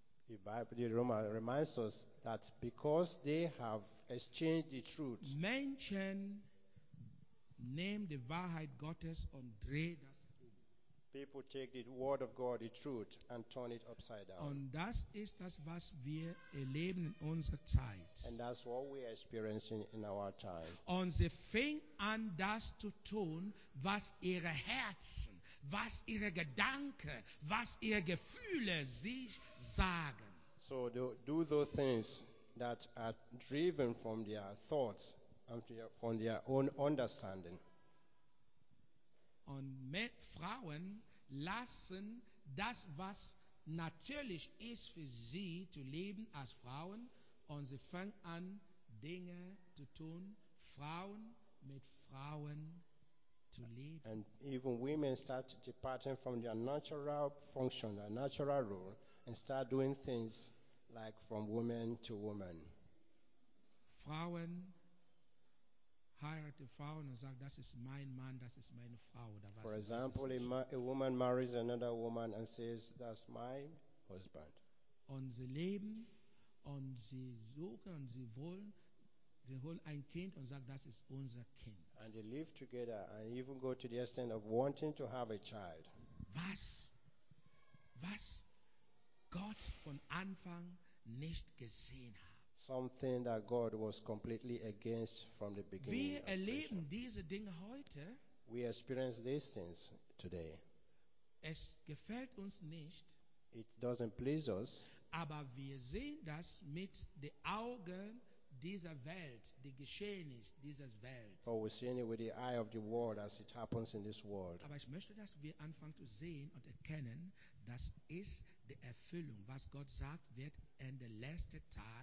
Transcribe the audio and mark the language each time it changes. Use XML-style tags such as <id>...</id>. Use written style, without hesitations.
<en>The Bible, the Roman reminds us that because they have exchanged the truth.</en> <de>Menschen nehmen die Wahrheit Gottes und drehen das um.</de> <en>People take the word of God, the truth, and turn it upside down.</en> <de>Und das ist das, was wir erleben in unserer Zeit.</de> <en>And that's what we are experiencing in our time.</en> <de>Und sie fangen an, das zu tun, was ihre Herzen, was ihre Gedanken, was ihre Gefühle sich sagen.</de> <en>So do those things that are driven from their thoughts and from their own understanding.</en> <de>Und Frauen lassen das, was natürlich ist für sie zu leben als Frauen, und sie fangen an, Dinge zu tun, Frauen mit Frauen.</de> <en>And even women start departing from their natural function, their natural role, and start doing things like from woman to woman.</en> <de>Frauen heiraten Frauen und sagen, das ist mein Mann, das ist meine Frau.</de> <en>For example, a woman marries another woman and says, that's my husband.</en> <de>Und sie leben und sie suchen und sie wollen, sie holen ein Kind und sagen, das ist unser Kind.</de> <en>And they live together and even go to the extent of wanting to have a child.</en> <de>Was Gott von Anfang nicht gesehen hat.</de> <en>Something that God was completely against from the beginning.</en> <de>Wir erleben diese Dinge heute.</de> <en>We experience these things today.</en> <de>Es gefällt uns nicht.</de> <en>It doesn't please us.</en> <de>Aber wir sehen das mit den Augen dieser Welt, die geschehen ist dieser Welt.</de> <en>But we see it with the eye of the world as it happens in this world.</en> <de>Aber ich möchte, dass wir anfangen zu sehen und erkennen, das ist die Erfüllung, was Gott sagt, wird in der letzten Zeit.</de>